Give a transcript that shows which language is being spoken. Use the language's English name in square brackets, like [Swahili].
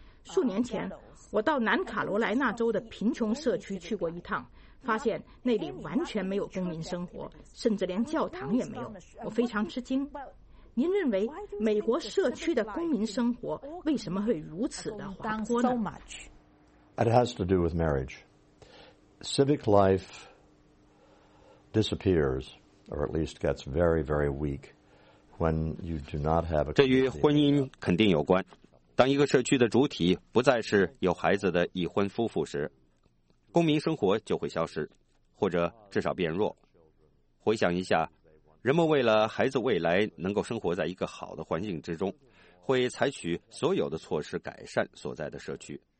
[Chinese] 数年前我到南卡罗来纳州的贫穷社区去过一趟，发现那里完全没有公民生活，甚至连教堂也没有，我非常吃惊。您认为美国社区的公民生活为什么会如此的滑坡呢？ [English] It has to do with marriage. Civic life disappears, or at least gets very, very weak when you do not have a. [Chinese] 这与婚姻肯定有关。当一个社区的主体不再是有孩子的已婚夫妇时，公民生活就会消失，或者至少变弱。回想一下，人们为了孩子未来能够生活在一个好的环境之中，会采取所有的措施改善所在的社区。